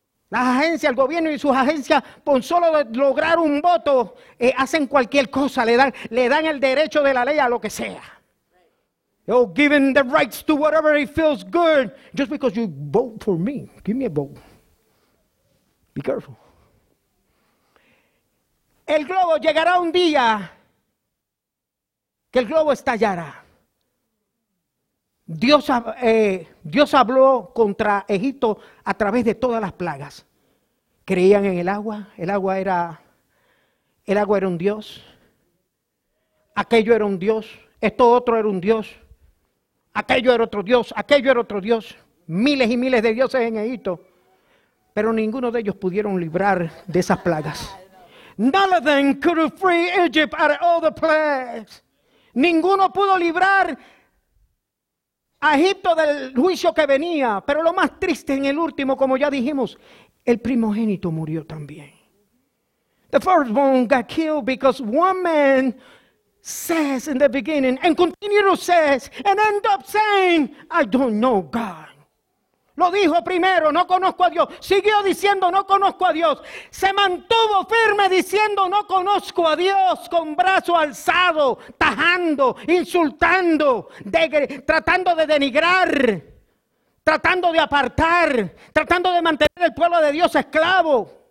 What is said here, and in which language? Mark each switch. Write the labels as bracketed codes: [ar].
[es] Las agencias, el gobierno y sus agencias, por solo lograr un voto, hacen cualquier cosa. Le dan el derecho de la ley a lo que sea. [en] Oh, giving the rights to whatever it feels good. Just because you vote for me, give me a vote. Be careful. [es] El globo llegará un día que el globo estallará. Dios habló contra Egipto a través de todas las plagas. Creían en el agua. El agua era un dios. Aquello era un dios. Esto otro era un dios. Aquello era otro dios. Aquello era otro dios. Miles y miles de dioses en Egipto. Pero ninguno de ellos pudieron librar de esas plagas. [en] None of them could free Egypt out of all the plagues. [es] Ninguno pudo librar a Egipto del juicio que venía. Pero lo más triste, en el último, como ya dijimos, el primogénito murió también. [en] The firstborn got killed because one man says in the beginning and continues to say and end up saying, I don't know God. [es] Lo dijo primero, no conozco a Dios. Siguió diciendo, no conozco a Dios. Se mantuvo firme diciendo, no conozco a Dios. Con brazo alzado, tajando, insultando, tratando de denigrar, tratando de apartar, tratando de mantener el pueblo de Dios esclavo.